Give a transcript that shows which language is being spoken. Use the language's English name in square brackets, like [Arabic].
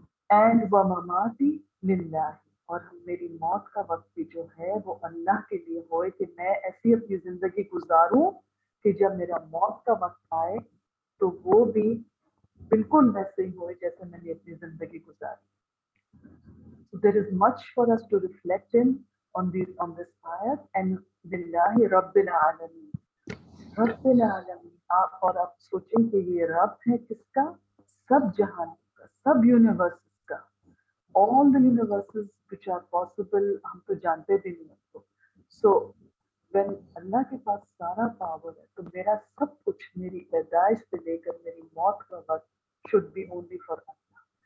[Urdu] And وہ مماتی للہ, اور میری موت کا وقت بھی جو ہے وہ اللہ کے لیے ہوئے کہ میں ایسی اپنی زندگی گزاروں کہ جب میرا موت کا وقت آئے تو وہ بھی بالکل ویسے ہی ہوئے جیسے میں نے اپنی زندگی گزاری. [English] There is much for us to reflect in on this ayat and [Arabic] بِاللَّهِ رَبِّ الْعَالَمِينَ. [Urdu] رب العالمین, آپ اور آپ سوچیں کہ یہ رب ہے کس کا؟ سب جہان کا, سب یونیورس کا. [English] All the universes which are possible, [Urdu] ہم تو جانتے بھی نہیں ہم کو. [English] so when [Urdu] اللہ کے پاس سارا پاور ہے تو میرا سب کچھ, میری پیدائش سے لے کر میری موت کا وقت, [English] should be only for [Urdu] Allah.